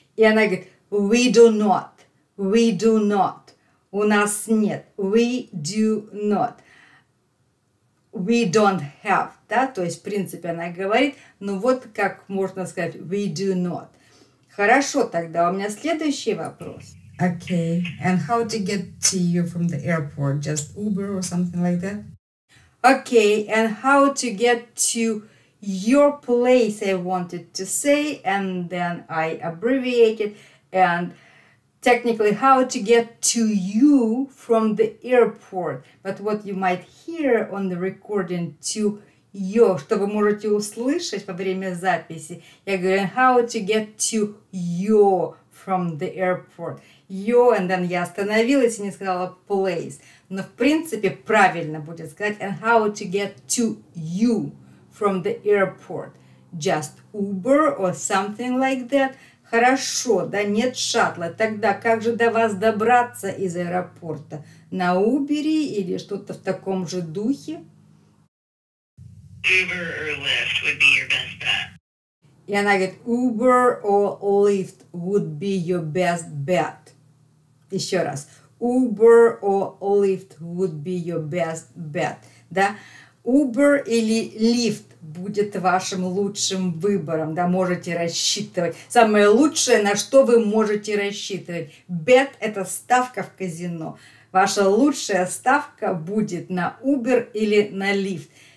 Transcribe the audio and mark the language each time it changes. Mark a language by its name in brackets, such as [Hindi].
[Russian] И она говорит, [English] we do not. We do not. [Russian] У нас нет. [English] We do not. We don't have. Да? [Russian] То есть, в принципе, она говорит, ну вот как можно сказать, [English] we do not. [Russian] Хорошо, тогда у меня следующий вопрос. [English] Okay. And how to get to you from the airport? Just Uber or something like that? Okay, and how to get to your place, I wanted to say, and then I abbreviated, and technically, how to get to you from the airport. But what you might hear on the recording, to you, [Russian] что вы можете услышать во время записи, [English] я говорю, how to get to you from the airport. You, and then [Russian] я остановилась и не сказала [English] place. [Russian] Но, в принципе, правильно будет сказать, [English] and how to get to you from the airport. Just Uber or something like that. [Russian] Хорошо, да, нет шаттла. Тогда как же до вас добраться из аэропорта? На Uber или что-то в таком же духе? [English] Uber or Lyft would be your best bet. [Russian] И она говорит, [English] Uber or Lyft would be your best bet. [Russian] Еще раз. [English] Uber or Lyft would be your best bet. [Russian] Да? Uber или Lyft будет вашим лучшим выбором, да, можете рассчитывать. Самое лучшее, на что вы можете рассчитывать. Bet – это ставка в казино. Ваша лучшая ставка будет на Uber или на Lyft.